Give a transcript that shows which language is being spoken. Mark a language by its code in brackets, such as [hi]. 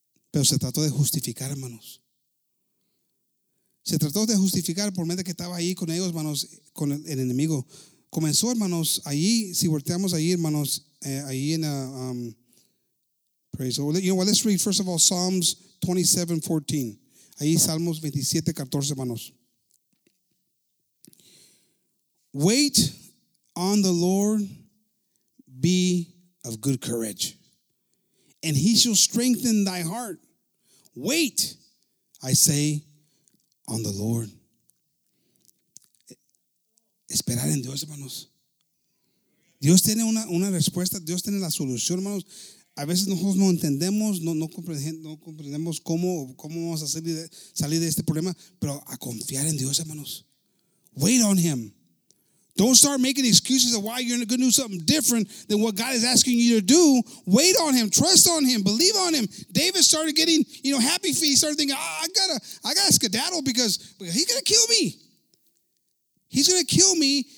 [es] Pero se trató de justificar, hermanos. Se trató de justificar por medio de que estaba ahí con ellos, hermanos, con el enemigo. Comenzó, hermanos, ahí, si volteamos ahí, hermanos, ahí en praise. [en] You know what, let's read, first of all, Psalms 27:14. [es] Ahí Salmos 27:14, hermanos. [en] Wait on the Lord, be of good courage, and he shall strengthen thy heart. Wait, I say, on the Lord. [es] Esperar en Dios, hermanos. Dios tiene una respuesta, Dios tiene la solución, hermanos. A veces nosotros no entendemos, no comprendemos cómo vamos a salir de este problema, pero a confiar en Dios, hermanos. [en] Wait on him. Don't start making excuses of why you're going to do something different than what God is asking you to do. Wait on him. Trust on him. Believe on him. David started getting, you know, happy feet. He started thinking, oh, I got to skedaddle because he's going to kill me. He's going to kill me.